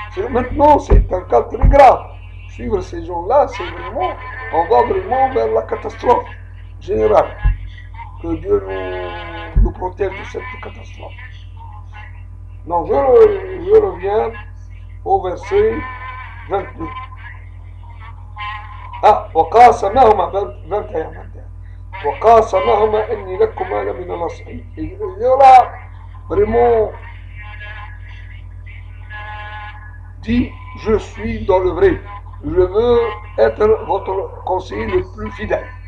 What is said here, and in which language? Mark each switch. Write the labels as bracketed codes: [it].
[fr] Maintenant, c'est un cas très grave. Suivre ces gens-là, c'est vraiment, on va vraiment vers la catastrophe générale. Que Dieu nous protège de cette catastrophe. Donc, je reviens au verset 22. Ah, وقاسمهما 21. [ar] وقاسمهما إني لكما لمن النصحين. [fr] Il y aura vraiment dit, je suis dans le vrai. Je veux être votre conseiller le plus fidèle.